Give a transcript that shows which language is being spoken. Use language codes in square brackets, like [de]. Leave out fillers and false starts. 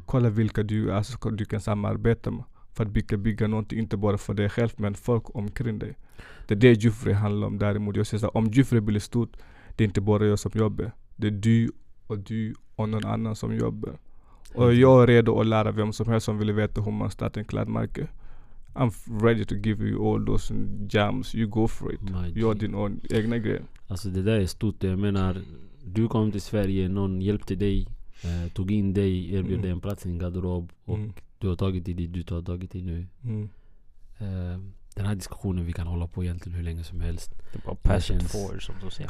[sv] Kolla vilka du kan samarbeta med för att bygga någonting, inte bara för dig själv, men folk omkring dig. Det är det Jufure handlar om. Däremot, jag säger så här, om Jufure blir stort, det är inte bara jag som jobbar. Det är du och någon annan som jobbar. Och jag är redo att lära vem som helst som vill veta hur man startar en klädmärke. [en] I'm ready to give you all those jams. You go for it. [sv] Gör din [en] own [sv] egna grej. Alltså det där är stort. Jag menar, du kom till Sverige, någon hjälpte dig, tog in dig, erbjöd dig en plats i en garderob och du har tagit dig det du har tagit dig nu. Mm. Den här diskussionen vi kan hålla på egentligen hur länge som helst. Det är bara [en] passion for, [sv] som du säger.